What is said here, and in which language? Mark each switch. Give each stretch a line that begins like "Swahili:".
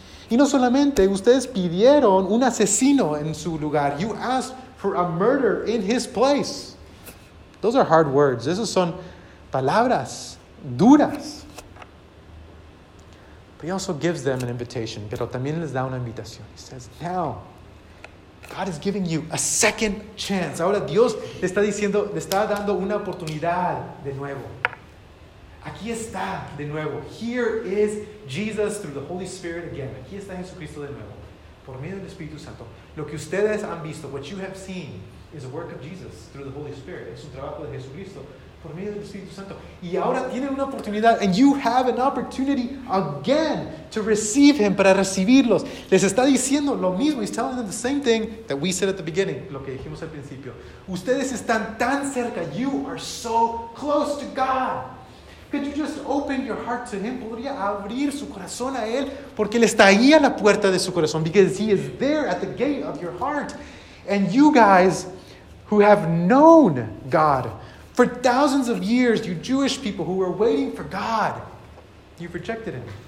Spanish: Y no solamente, ustedes pidieron un asesino en su lugar.
English: You asked for a murder in his place. Those are hard words.
Spanish: Esas son palabras duras.
English: But he also gives them an invitation,
Spanish: pero también les da una invitación.
English: He says, now, God is giving you a second chance.
Spanish: Ahora Dios le está diciendo, le está dando una oportunidad de nuevo. Aquí está de nuevo.
English: Here is Jesus through the Holy Spirit again.
Spanish: Aquí está Jesucristo de nuevo. Por medio del Espíritu Santo. Lo que ustedes han visto,
English: what you have seen,
Spanish: is the work of Jesus through the Holy Spirit. Es un trabajo de Jesucristo por medio del Espíritu Santo. Y ahora tienen una oportunidad,
English: and you have an opportunity again to receive him,
Spanish: para recibirlos. Les está diciendo lo mismo.
English: He's telling them the same thing that we said at the beginning,
Spanish: lo que dijimos al principio. Ustedes están tan cerca.
English: You are so close to God. Could you just open your heart to him?
Spanish: ¿Podría abrir su corazón a él? Porque él está ahí a la puerta de su corazón.
English: Because he is there at the gate of your heart. And you guys who have known God for thousands of years, you Jewish people who were waiting for God, you've rejected him.